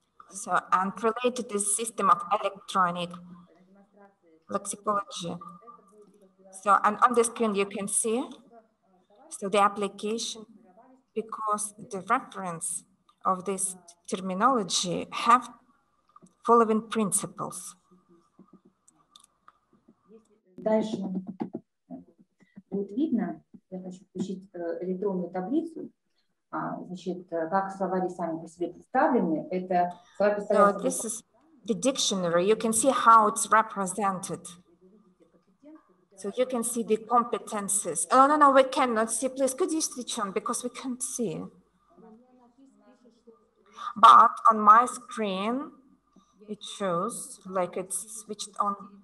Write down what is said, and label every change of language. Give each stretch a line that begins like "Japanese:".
English: So, and related to the system of electronic lexicology. So, and on the screen you can see, so the application, because the reference of this terminology have following principles.
Russian: Дальше будет видно, я хочу включить электронную таблицу, значит, как словари сами по себе представлены, это словарь представляется...
English: So this is the dictionary, you can see how it's represented. So you can see the competences. Oh, no, we cannot see. Please, could you switch on? Because we can't see. But on my screen, it shows like it's switched on.